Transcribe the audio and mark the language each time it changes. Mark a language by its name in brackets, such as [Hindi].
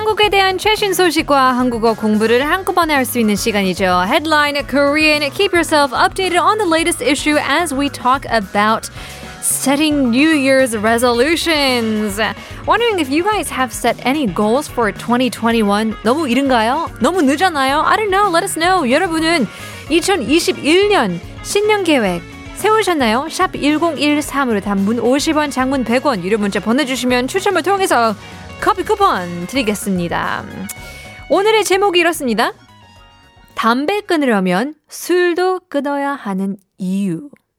[Korean] 대한 최신 소식과 한국어 공부를 한꺼번에 할 수 있는 시간이죠. [English] Headline Korean. Keep yourself updated on the latest issue as we talk about setting New Year's resolutions. Wondering if you guys have set any goals for 2021. [Korean] 너무 이른가요? 너무 늦었나요? [English] I don't know. Let us know. [Korean] 여러분은 2021년 신년 계획 세우셨나요? 샵 1013으로 단문 50원, 장문 100원 유료 문자 보내주시면 추첨을 통해서 커피 쿠폰 드리겠습니다. 오늘의 제목이 이렇습니다. 담배 끊으려면 술도 끊어야 하는 이유.